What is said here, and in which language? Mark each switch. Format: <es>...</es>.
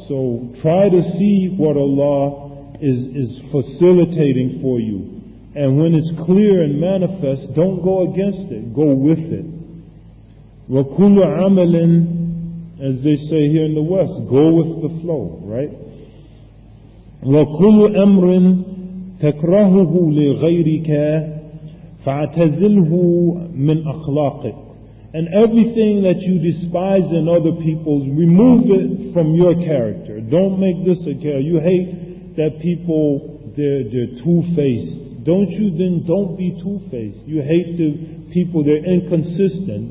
<en>So try to see what Allah is facilitating for you. And when it's clear and manifest, don't go against it. Go with it.</en> <ar>وَكُلُّ عَمَلٍ,</ar> <en>as they say here in the West, go with the flow, right?</en> <ar>وَكُلُّ أَمْرٍ تَكْرَهُهُ لِغَيْرِكَ فَاعْتَزِلْهُ مِنْ أَخْلَاقِكَ.</ar> <en>And everything that you despise in other people, remove it from your character. Don't make this a care. You hate that people, they're two-faced. Don't be two-faced. You hate the people, they're inconsistent.</en>